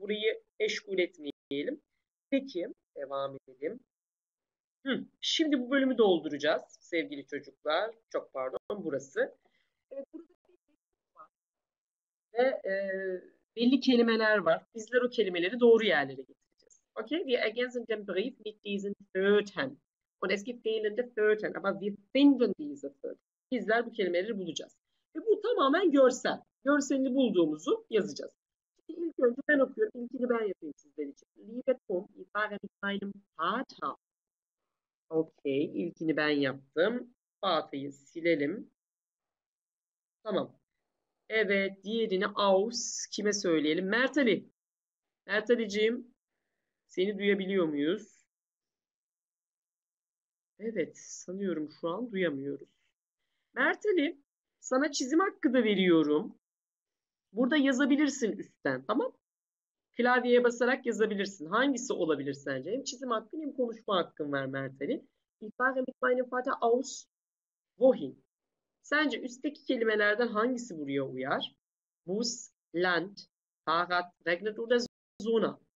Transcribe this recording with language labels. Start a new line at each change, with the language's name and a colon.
Turkish: Burayı meşgul etmeyelim. Peki, devam edelim. Şimdi bu bölümü dolduracağız sevgili çocuklar. Çok pardon, burası. Evet, burada bir kelime var. Ve belli kelimeler var. Bizler o kelimeleri doğru yerlere getireceğiz.
German: Okay, wir ergänzen den Brief mit diesen Wörtern. Und es gibt fehlende Wörter, aber wir finden diese Wörter.
Turkish: Bizler bu kelimeleri bulacağız. Ve bu tamamen görsel. Görselini bulduğumuzu yazacağız. Şimdi ilk önce ben okuyorum. İlkini ben yapayım sizler için.
German: Liebe Tom, ich fahre mit meinem Vater.
Turkish: Okey. İlkini ben yaptım. Vater'ı silelim. Tamam. Evet. Diğerini aus. Kime söyleyelim? Mert Ali. Mert Ali'ciğim. Seni duyabiliyor muyuz? Evet. Sanıyorum şu an duyamıyoruz. Mert Ali. Sana çizim hakkı da veriyorum. Burada yazabilirsin üstten, tamam? Klavyeye basarak yazabilirsin. Hangisi olabilir sence? Hem çizim hakkın hem konuşma hakkın var Mert Ali.
German: Ich frage mich meinen Vater aus wohin?
Turkish: Sence üstteki kelimelerden hangisi buraya uyar?
German: Bus, Land, Fahrrad, regnet oder Sonne?